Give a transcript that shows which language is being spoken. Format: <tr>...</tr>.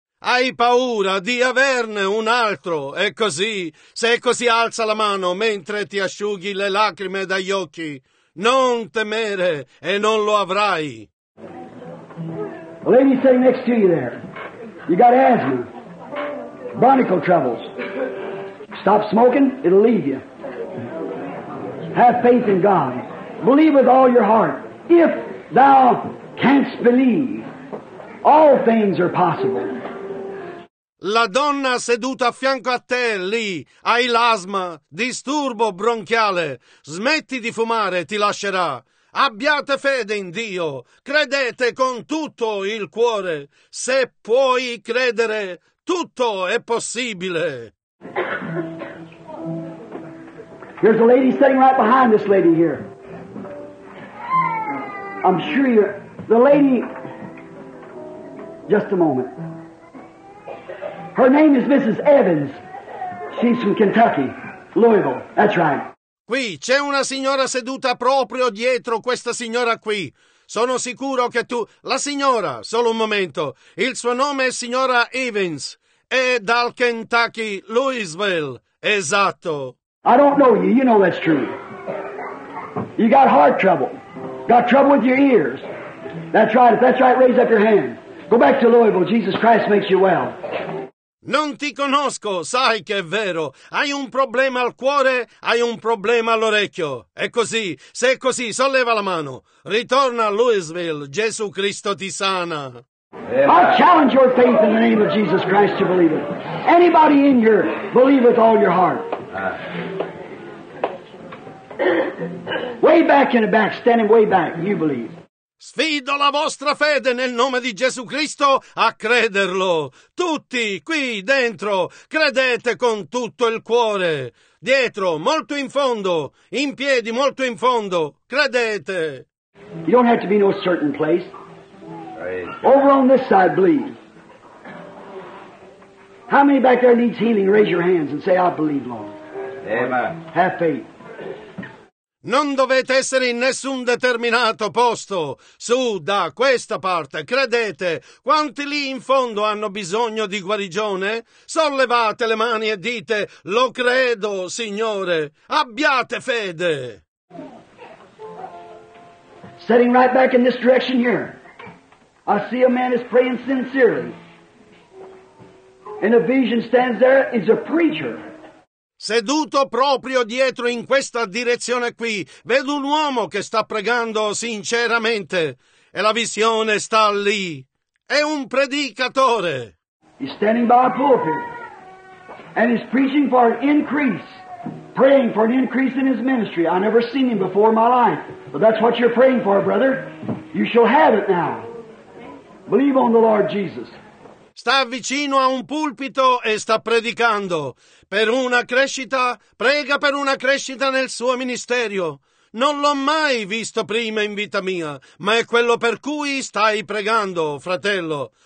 <it>Hai paura di averne un altro, è così. Se è così, alza la mano mentre ti asciughi le lacrime dagli occhi. Non temere e non lo avrai.</it> <en>The lady sitting next to you there. You got asthma. Bronchial troubles. Stop smoking, it'll leave you. Have faith in God. Believe with all your heart. If thou canst believe, all things are possible.</en> <it>La donna seduta a fianco a te, lì, hai l'asma, disturbo bronchiale. Smetti di fumare, ti lascerà. Abbiate fede in Dio. Credete con tutto il cuore. Se puoi credere, tutto è possibile.</it> <en>Here's a lady sitting right behind this lady here. I'm sure you're... The lady... Just a moment. Her name is Mrs. Evans. She's from Kentucky, Louisville. That's right.</en> <it>Qui c'è una signora seduta proprio dietro questa signora qui. Sono sicuro che tu... La signora, solo un momento. Il suo nome è signora Evans. È dal Kentucky, Louisville. Esatto.</it> <en>I don't know you. You know that's true. You got heart trouble. Got trouble with your ears. That's right. If that's right, raise up your hand. Go back to Louisville. Jesus Christ makes you well.</en> <it>Non ti conosco, sai che è vero. Hai un problema al cuore, hai un problema all'orecchio. È così, se è così, solleva la mano. Ritorna a Louisville, Gesù Cristo ti sana.</it> <en>I challenge your faith in the name of Jesus Christ to believe it. Anybody in here, believe with all your heart. Way back in the back, standing way back, you believe.</en> <it>Sfido la vostra fede nel nome di Gesù Cristo a crederlo. Tutti qui dentro, credete con tutto il cuore. Dietro, molto in fondo, in piedi, molto in fondo, credete.</it> <en>You don't have to be in a certain place. Over on this side, believe. How many back there needs healing? Raise your hands and say, I believe, Lord. Amen. Have faith.</en> <it>Non dovete essere in nessun determinato posto. Su, da questa parte, credete. Quanti lì in fondo hanno bisogno di guarigione? Sollevate le mani e dite, lo credo, Signore. Abbiate fede.</it> <en>Sitting right back in this direction here. I see a man is praying sincerely. And a vision stands there, is a preacher.</en> <it>Seduto proprio dietro in questa direzione qui, vedo un uomo che sta pregando sinceramente e la visione sta lì. È un predicatore.</it> <en>He's standing by a pulpit and he's preaching for an increase, praying for an increase in his ministry. I never seen him before in my life, but that's what you're praying for, brother. You shall have it now. Believe on the Lord Jesus.</en> <it>Sta vicino a un pulpito e sta predicando. Per una crescita, prega per una crescita nel suo ministerio. Non l'ho mai visto prima in vita mia, ma è quello per cui stai pregando, fratello.</it>